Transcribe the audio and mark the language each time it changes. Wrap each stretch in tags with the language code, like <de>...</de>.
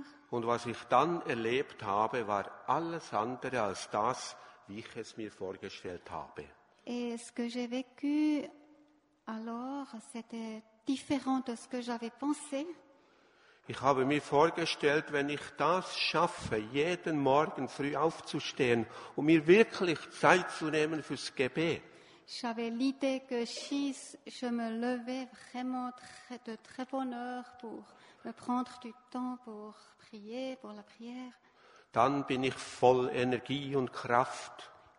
<de>und was ich dann erlebt habe, war alles andere als das, wie ich es mir vorgestellt habe.</de> <fr>Et ce que j'ai vécu alors, c'était différent de ce que j'avais pensé.</fr> <de>Ich habe mir vorgestellt, wenn ich das schaffe, jeden Morgen früh aufzustehen und mir wirklich Zeit zu nehmen fürs Gebet.</de> <fr>J'avais l'idée que si je me levais vraiment de très bonne heure pour me prendre du temps pour prier, pour la prière,</fr> <de>dann bin ich voll Energie und Kraft.</de>